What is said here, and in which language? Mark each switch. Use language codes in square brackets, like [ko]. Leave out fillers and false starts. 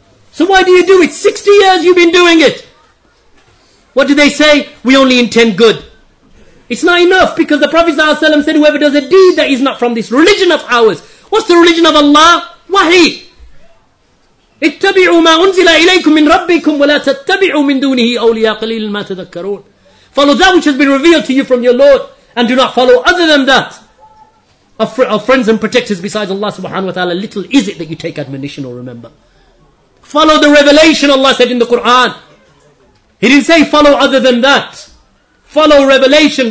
[en] So why do you do it? 60 years you've been doing it. What do they say? We only intend good. It's not enough, because the Prophet ﷺ said, whoever does a deed that is not from this religion of ours. What's the religion of Allah? Wahi. [ar] اتبعوا ما أنزل إليكم من ربكم ولا تتبعوا من دونه أولياء قليل ما تذكرون. [en] Follow that which has been revealed to you from your Lord, and do not follow other than that of friends and protectors besides Allah subhanahu wa ta'ala. Little is it that you take admonition or remember. Follow the revelation Allah said in the Quran. He didn't say follow other than that. Follow revelation.